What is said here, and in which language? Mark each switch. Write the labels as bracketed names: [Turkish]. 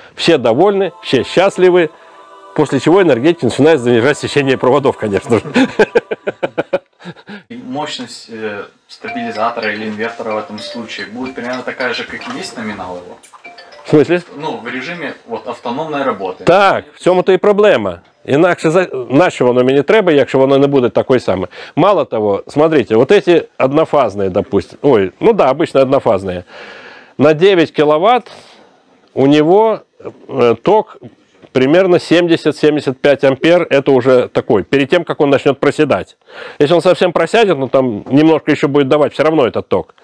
[Russian] Все довольны, все счастливы, после чего энергетик начинает занижать сечение проводов, конечно же. Мощность стабилизатора или инвертора в этом случае будет примерно такая же, как и есть номинал его? В смысле? Ну, в режиме вот, автономной работы. [Ukrainian] Так, в цьому-то и проблема. Інакше нащо воно мені треба, якщо воно не буде такою саме. [Russian] Мало того, смотрите, вот эти однофазные, допустим. Ой, ну да, обычно однофазные. На 9 кВт у него ток примерно 70-75 ампер. Это уже такой, перед тем, как он начнет проседать. Если он совсем просядет, но там немножко еще будет давать, все равно этот ток.